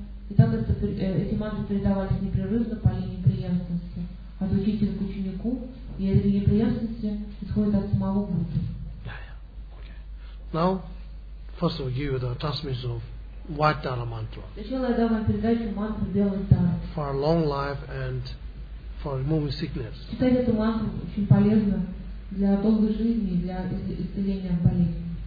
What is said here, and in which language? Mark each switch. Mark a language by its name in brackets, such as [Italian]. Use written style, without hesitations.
[Russian] И так это, эти мантры передавались непрерывно по линии преемственности от учителя к ученику, и эта неприятности исходит от самого Будды. [English] Now, first of all, give you the transmission of White Dharma mantra. [Russian] Сначала я дам вам передачу мантры Белой Дхармы. [English] For a long life and for removing sickness. [Russian] Читать эту мантру очень полезно для долгой жизни и для исцеления от болезни.